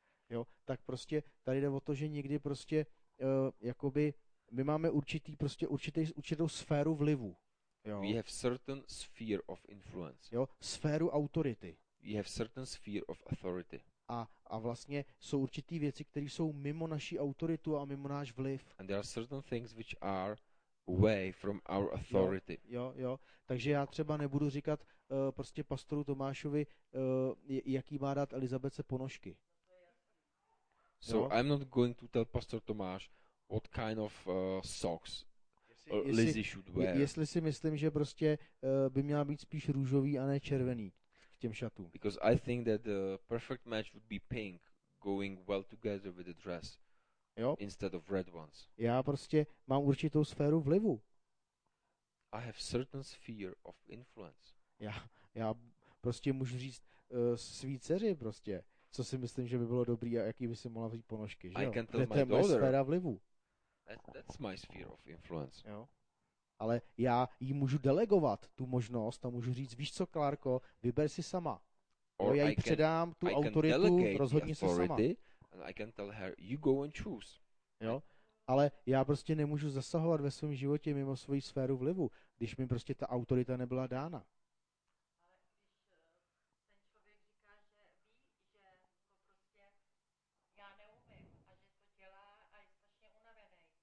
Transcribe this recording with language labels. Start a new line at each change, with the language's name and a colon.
Czech: Jo, tak prostě tady jde o to, že někdy prostě jakoby my máme určitou sféru vlivu. Jo.
English: We have certain sphere of influence.
Czech: Jo, sféru autority.
English: We have certain sphere of authority.
Czech: A vlastně jsou určitý věci, které jsou mimo naší autoritu a mimo náš vliv.
English: And there are certain things which are away from our authority.
Czech: Jo. Takže já třeba nebudu říkat prostě pastoru Tomášovi, jaký má dát Elizabetce ponožky.
English: So jo? I'm not going to tell Pastor Tomáš what kind of socks Lizzie should wear.
Czech: Jestli si myslím, že prostě by měla být spíš růžový a ne červený k těm šatům.
English: Because I think that the perfect match would be pink, going well together with the dress.
Czech: Jo?
English: Instead of red ones.
Czech: Já prostě mám určitou sféru vlivu.
English: I have certain sphere of influence.
Czech: Já prostě můžu říct své dceři prostě, co si myslím, že by bylo dobrý a jaký by si mohla vzít ponožky, že jo?
English: I can tell to my daughter.
Czech: Sféra vlivu.
English: That's my sphere of influence.
Czech: Jo. Ale já jí můžu delegovat tu možnost a můžu říct, víš co, Klárko, vyber si sama.
English: Or
Czech: já jí předám tu autoritu, rozhodni se sama.
English: And I can tell her, you go and choose.
Czech: Jo? Ale já prostě nemůžu zasahovat ve svém životě mimo svoji sféru vlivu, když mi prostě ta autorita nebyla dána. Ale když ten člověk říká, že ví, že to prostě já neumím a že to dělá a je strašně unavený.